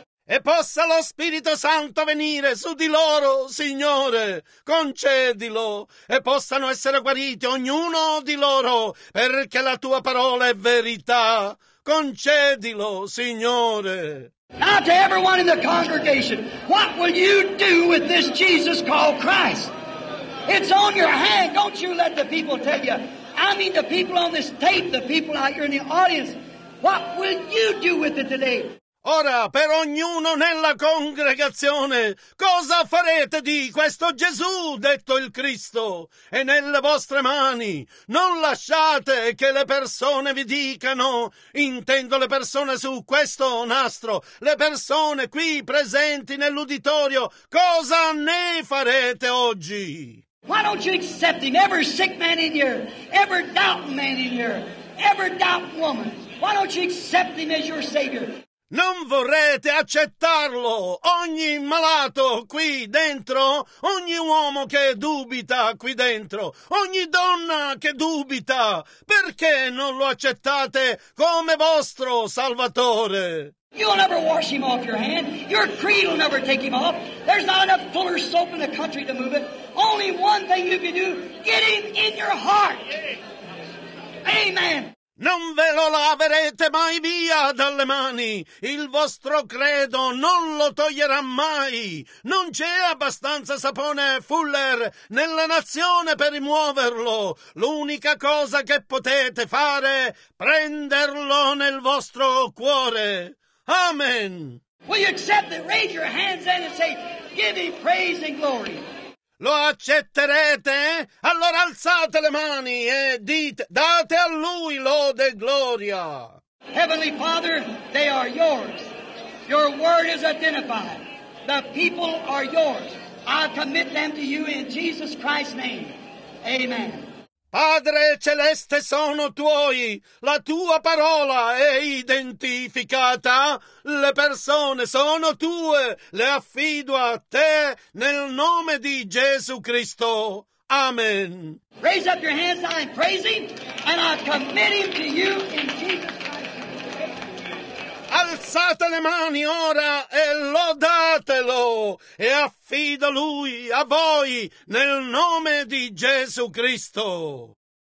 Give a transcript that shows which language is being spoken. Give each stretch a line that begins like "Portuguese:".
Italian: E possa lo Spirito Santo venire su di loro, Signore, concedilo, e possano essere guariti ognuno di loro, perché la tua parola è verità. Concedilo, Signore.
English: Now to everyone in the congregation, what will you do with this Jesus called Christ? It's on your hand. Don't you let the people tell you. I mean the people on this tape, the people out here in the audience. What will you do with it today?
Italian: Ora, per ognuno nella congregazione, cosa farete di questo Gesù, detto il Cristo? E nelle vostre mani, non lasciate che le persone vi dicano, intendo le persone su questo nastro, le persone qui presenti nell'uditorio, cosa ne farete oggi?
English: Why don't you accept him? Every sick man in here, every doubting man in here, every doubting woman, why don't you accept him as your Savior?
Italian: Non vorrete accettarlo, ogni malato qui dentro, ogni uomo che dubita qui dentro, ogni donna che dubita, perché non lo accettate come vostro Salvatore?
English: You'll never wash him off your hand, your creed will never take him off, there's not enough fuller soap in the country to move it, only one thing you can do, get him in your heart, amen.
Italian: Non ve lo laverete mai via dalle mani. Il vostro credo non lo toglierà mai. Non c'è abbastanza sapone Fuller nella nazione per rimuoverlo. L'unica cosa che potete fare è prenderlo nel vostro cuore. Amen.
English: Will you accept it? Raise your hands and say, give me praise and glory.
Italian: Lo accetterete? Allora alzate le mani e dite, date a Lui lode e gloria.
English: Heavenly Father, they are yours. Your word is identified. The people are yours. I commit them to you in Jesus Christ's name. Amen.
Italian: Padre celeste, sono tuoi. La tua parola è identificata. Le persone sono tue. Le affido a te nel nome di Gesù Cristo. Amen.
English: Raise up your hands. I praise him and I commit him to you in Jesus Christ.
Italian: Alzate le mani ora e lodatelo e affido lui a voi nel nome di Gesù Cristo.